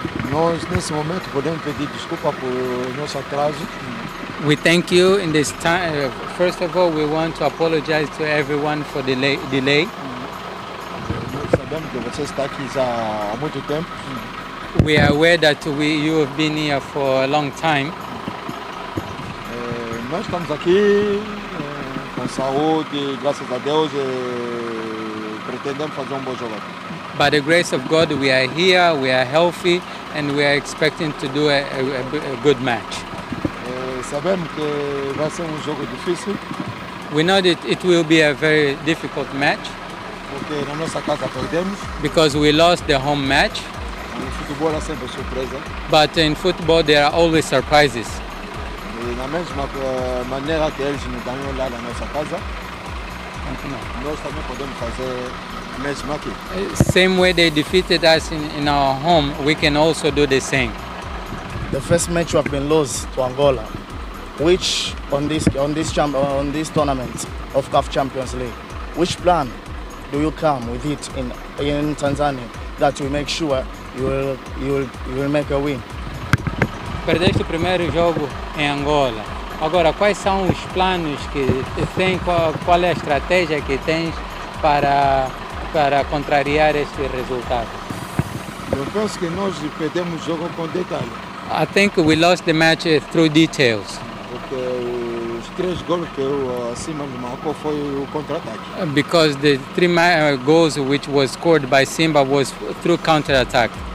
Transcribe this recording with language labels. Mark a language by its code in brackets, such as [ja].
[pt] Nós nesse momento podemos pedir desculpa por nosso atraso. [en] We thank you in this time. First of all, we want to apologize to everyone for delay. [pt] Nós sabemos que você está aqui já há muito tempo. [en] We are aware that you have been here for a long time. [pt] Nós estamos aqui com saúde, graças a Deus, e pretendemos fazer bom jogo. [en] By the grace of God, we are here, we are healthy, and we are expecting to do a good match. [pt] Sabemos que vai ser jogo difícil. [en] We know that it will be a very difficult match. [pt] Porque na nossa casa perdemos. [en] Because we lost the home match. [pt] No futebol há sempre surpresa. [en] But in football, there are always surprises. [pt] Na mesma maneira que eles nos ganham lá na nossa casa, nós também podemos fazer a mesma aqui. [en] Same way they defeated us in our home, we can also do the same. The first match we have been lost to Angola, which on this tournament of CAF Champions League, which plan do you come with it in Tanzania that we make sure you will make a win? [pt] Perdeste o primeiro jogo em Angola. Agora, quais são os planos que tem? Qual é a estratégia que tens para contrariar este resultado? Eu penso que nós perdemos o jogo com detalhe. [en] I think we lost the match through details. [pt] Porque os três gols que eu acima me marcou foi o contra-ataque. [en] Because the three goals which was scored by Simba was through counter-attack.